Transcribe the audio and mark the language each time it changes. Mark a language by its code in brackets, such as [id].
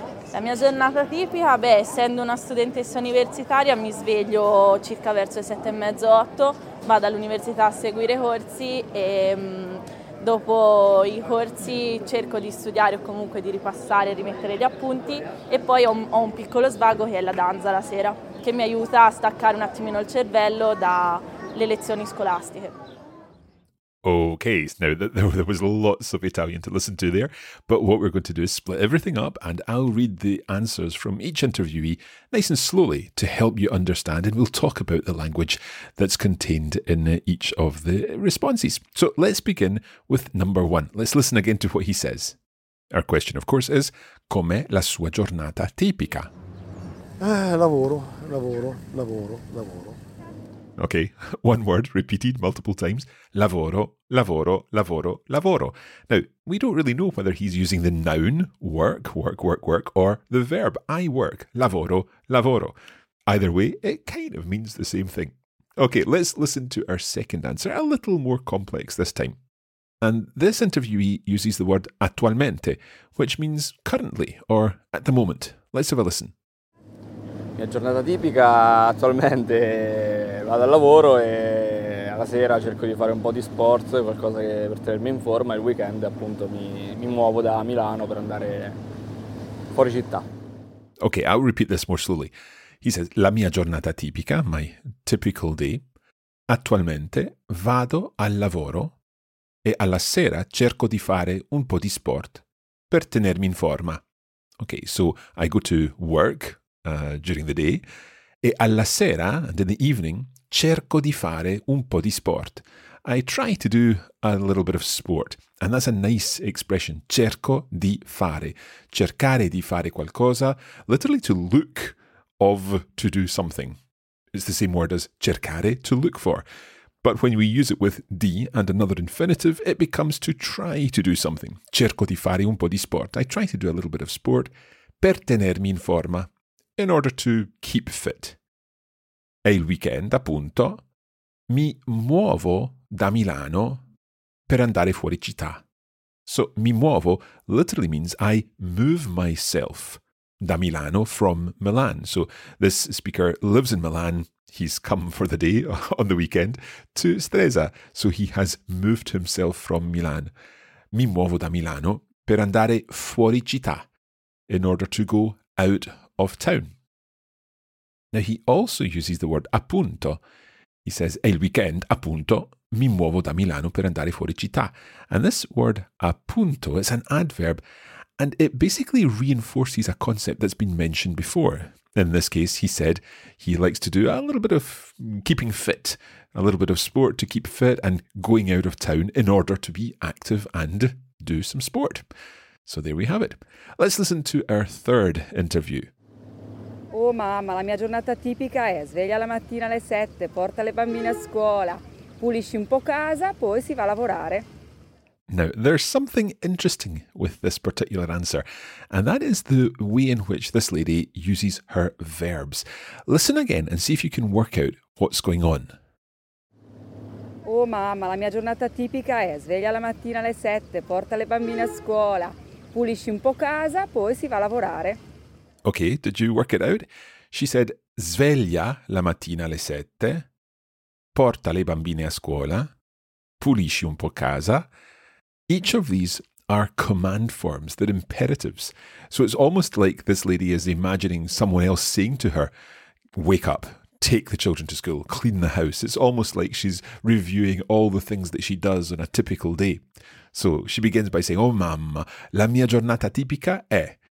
[it] La mia giornata tipica, essendo una studentessa universitaria, mi sveglio circa verso le 7:30-8, vado all'università a seguire corsi e dopo i corsi cerco di studiare o comunque di ripassare e rimettere gli appunti e poi ho un piccolo svago che è la danza la sera, che mi aiuta a staccare un attimino il cervello dalle lezioni scolastiche. [en] Okay, now there was lots of Italian to listen to there, but what we're going to do is split everything up and I'll read the answers from each interviewee nice and slowly to help you understand, and we'll talk about the language that's contained in each of the responses. So let's begin with number one. Let's listen again to what he says. Our question, of course, is [it] com'è la sua giornata tipica? Lavoro. [en] Okay, one word repeated multiple times. [it] Lavoro, lavoro, lavoro, lavoro. [en] Now, we don't really know whether he's using the noun, work, work, work, work, or the verb, I work, [it] lavoro, lavoro. [en] Either way, it kind of means the same thing. Okay, let's listen to our second answer, a little more complex this time. And this interviewee uses the word attualmente, which means currently or at the moment. Let's have a listen. [it] Mia giornata tipica attualmente vado al lavoro e alla sera cerco di fare un po' di sport, qualcosa che per tenermi in forma, e il weekend appunto mi muovo da Milano per andare fuori città. [en] Ok, I'll repeat this more slowly. He says, [it] la mia giornata tipica, [en] my typical day, [it] attualmente vado al lavoro e alla sera cerco di fare un po' di sport per tenermi in forma. [en] Ok, so I go to work during the day, [it] e alla sera, [en] and in the evening, [it] cerco di fare un po' di sport. [en] I try to do a little bit of sport, and that's a nice expression, [it] cerco di fare. Cercare di fare qualcosa, [en] literally to look of to do something. It's the same word as cercare, to look for. But when we use it with di and another infinitive, it becomes to try to do something. [it] Cerco di fare un po' di sport. [en] I try to do a little bit of sport [it] per tenermi in forma. [en] In order to keep fit. [it] E il weekend, appunto, mi muovo da Milano per andare fuori città. [en] So, [it] mi muovo [en] literally means I move myself da Milano from Milan. So, this speaker lives in Milan. He's come for the day on the weekend to Stresa. So, he has moved himself from Milan. [it] Mi muovo da Milano per andare fuori città. [en] In order to go out of town. Now he also uses the word appunto. He says, [it] "El weekend, appunto, mi muovo da Milano per andare fuori città." [en] And this word appunto is an adverb, and it basically reinforces a concept that's been mentioned before. In this case, he said he likes to do a little bit of keeping fit, a little bit of sport to keep fit, and going out of town in order to be active and do some sport. So there we have it. Let's listen to our third interview. [it] Oh mamma, la mia giornata tipica è sveglia la mattina alle 7, porta le bambine a scuola, pulisci un po' casa, poi si va a lavorare. [en] Now, there's something interesting with this particular answer, and that is the way in which this lady uses her verbs. Listen again and see if you can work out what's going on. [it] Oh mamma, la mia giornata tipica è sveglia la mattina alle 7, porta le bambine a scuola, pulisci un po' casa, poi si va a lavorare. [en] Okay, did you work it out? She said, [it] sveglia la mattina alle sette, porta le bambine a scuola, pulisci un po' casa. [en] Each of these are command forms, they're imperatives. So it's almost like this lady is imagining someone else saying to her, wake up, take the children to school, clean the house. It's almost like she's reviewing all the things that she does on a typical day. So she begins by saying, [it] oh mamma, la mia giornata tipica è.